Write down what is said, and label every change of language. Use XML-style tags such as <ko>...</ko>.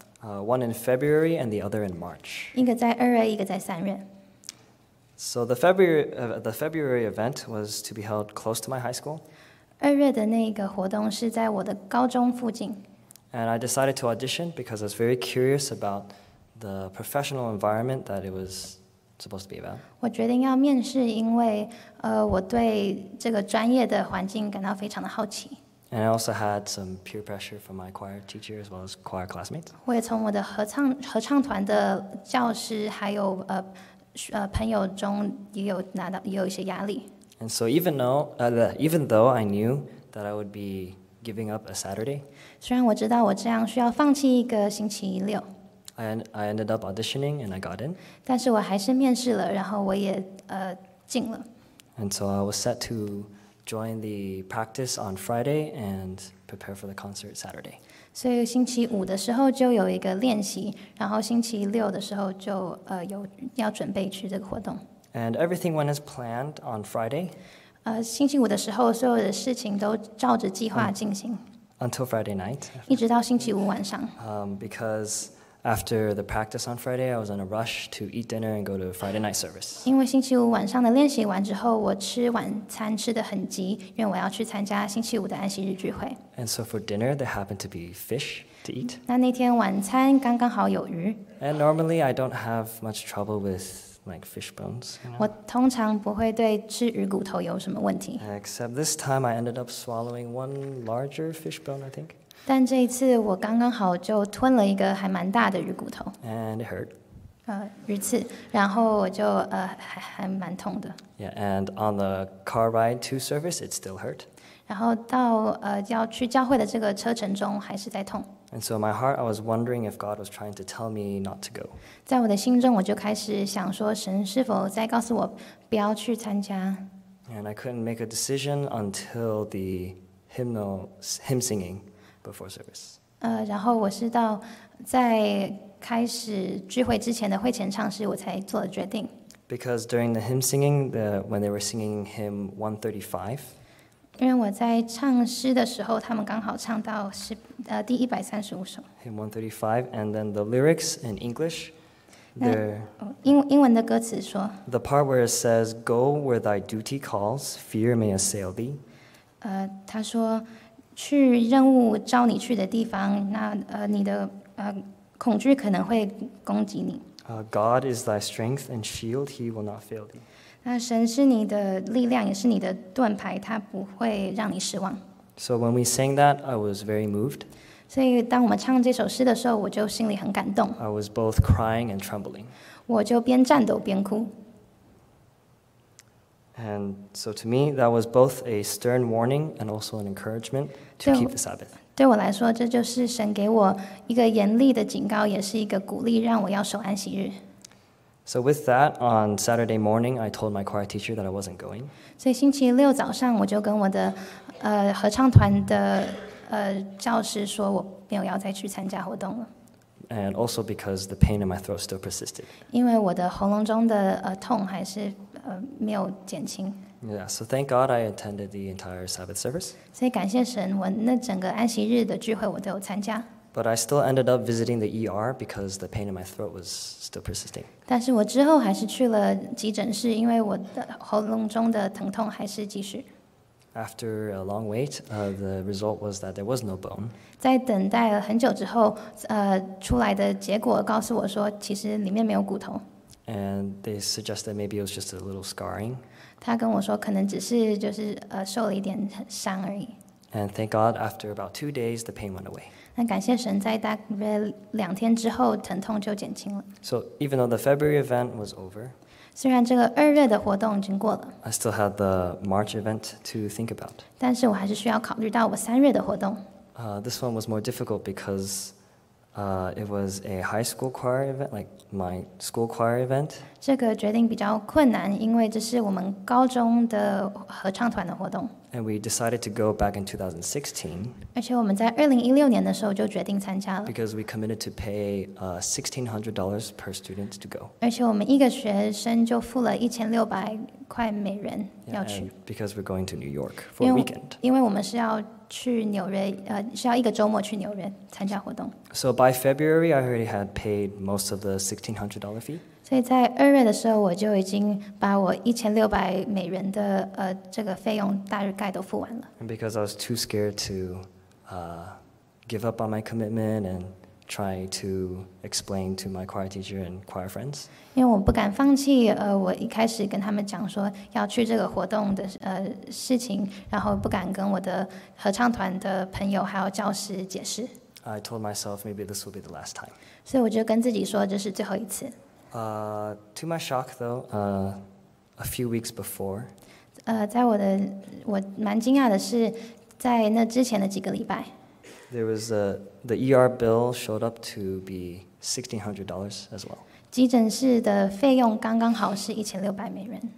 <en>One in February and the other in March.</en> <zh>一个在二月，一个在三月。</zh> <en>So the February event was to be held close to my high school.</en> <zh>二月的那个活动是在我的高中附近。</zh> <en>And I decided to audition because I was very curious about the professional environment that it was supposed to be about.</en> <zh>我决定要面试，因为我对这个专业的环境感到非常的好奇。</zh> <en>And I also had some peer pressure from my choir teacher as well as choir classmates.</en> <zh>我也从我的合唱团的教师还有朋友中也有拿到也有一些压力。</zh> <en>And so even though I knew that I would be giving up a Saturday,</en> <zh>虽然我知道我这样需要放弃一个星期六。</zh> <en>I ended up auditioning and I got in.</en> <zh>但是我还是面试了，然后我也进了。</zh> <en>And so I was set to join the practice on Friday and prepare for the concert Saturday.</en> <zh>所以星期五的时候就有一个练习，然后星期六的时候就有要准备去这个活动。</zh> <en>And everything went as planned on Friday.</en> <zh>星期五的时候所有的事情都照着计划进行。</zh> <en>Until Friday night.</en> <zh>一直到星期五晚上。</zh> <en>Because after the practice on Friday, I was in a rush to eat dinner and go to Friday night service.</en> <zh>因为星期五晚上的练习完之后，我吃晚餐吃得很急，因为我要去参加星期五的安息日聚会。</zh> <en>And so for dinner, there happened to be fish to eat.</en> <zh>那天晚餐刚刚好有鱼。</zh> <en>And normally, I don't have much trouble with like fish bones. You know?</en> <zh>我通常不会对吃鱼骨头有什么问题。</zh> <en>Except this time, I ended up swallowing one larger fish bone, I think.</en> <zh>但这一次我刚刚好就吞了一个还蛮大的鱼骨头</zh> <en>and it hurt</en> <zh>鱼刺然后我就还蛮痛的</zh> <en>yeah and on the car ride to service it still hurt</en> <zh>然后到要去教会的这个车程中还是在痛</zh> <en>and so in my heart I was wondering if God was trying to tell me not to go</en> <zh>在我的心中我就开始想说神是否在告诉我不要去参加</zh> <en>and I couldn't make a decision until the hymn singingBefore service.</en> <zh>然后我是到在开始聚会之前的会前唱诗，我才做了决定。</zh> <en>Because during the hymn singing, when they were singing hymn 135.</en> <zh>因为我在唱诗的时候，他们刚好唱到第135首。</zh> <en>Hymn 135, and then the lyrics in English.</en> <zh>英文的歌词说。</zh> <en>The part where it says, "Go where thy duty calls, fear may assail thee."</en> <zh>他说。去任务召你去的地方，那你的恐惧可能会攻击你。</zh> <en>God is thy strength and shield; he will not fail thee.</en> <zh>那神是你的力量，也是你的盾牌，他不会让你失望。</zh> <en>So when we sang that, I was very moved.</en> <zh>所以当我们唱这首诗的时候，我就心里很感动。</zh> <en>I was both crying and trembling.</en> <zh>我就边颤抖边哭。</zh> <en>And so to me, that was both a stern warning and also an encouragement to keep the Sabbath.</en> <zh>对我来说，这就是神给我一个严厉的警告，也是一个鼓励，让我要守安息日。</zh> <en>So with that, on Saturday morning, I told my choir teacher that I wasn't going.</en> <zh>所以星期六早上，我就跟我的合唱团的教师说，我没有要再去参加活动了。</zh> <en>And also because the pain in my throat still persisted.</en> <zh>因为我的喉咙中的痛还是没有减轻。</zh> <en>Yeah, so thank God I attended the entire Sabbath service.</en> <zh>所以感谢神，我那整个安息日的聚会我都有参加。</zh> <en>But I still ended up visiting the ER because the pain in my throat was still persisting.</en> <zh>但是我之后还是去了急诊室，因为我的喉咙中的疼痛还是继续。</zh> <en>After a long wait, the result was that there was no bone.</en> <zh>在等待了很久之后，出来的结果告诉我说，其实里面没有骨头。</zh> <en>And they suggested maybe it was just a little scarring.</en> <zh>他跟我说，可能只是就是受了一点伤而已。</zh> <en>And thank God, after about 2 days, the pain went away.</en> <zh>那感谢神，在大约两天之后，疼痛就减轻了。</zh> <en>So even though the February event was over.</en> <zh>虽然这个二月的活动已经过了</zh> <en>I still had the March event to think about.</en> <zh>但是我还是需要考虑到我三月的活动</zh> <en>This one was more difficult because it was a high school choir event, like my school choir event.</en> <zh>这个决定比较困难，因为这是我们高中的合唱团的活动</zh> <en>And we decided to go back in 2016.</en> <zh>而且我们在2016年的时候就决定参加了</zh> <en>Because we committed to pay $1,600 per student to go.</en> <zh>而且我们一个学生就付了1600块美元要去</zh> <en>yeah, Because we're going to New York for a weekend.</en> <zh>因为我们是要去纽约，需要一个周末去纽约参加活动。</zh> <en>So by February, I already had paid most of the $1,600 fee.</en> <zh>所以在二月的时候，我就已经把我1600美元的这个费用大概都付完了。</zh> <en>And because I was too scared to give up on my commitment and try to explain to my choir teacher and choir friends.</en> <zh>因为我不敢放弃，我一开始跟他们讲说要去这个活动的事情，然后不敢跟我的合唱团的朋友还有教师解释。</zh> <en>I told myself maybe this will be the last time.</en> <zh>所以我就跟自己说这是最后一次。</zh> <en>To my shock, though, a few weeks before.</en> <zh>在我的我蛮惊讶的是，在那之前的几个礼拜。</zh> <en>There was the ER bill showed up to be $1,600 as well.</en> <zh>急诊室的费用刚刚好是1600美元。</zh>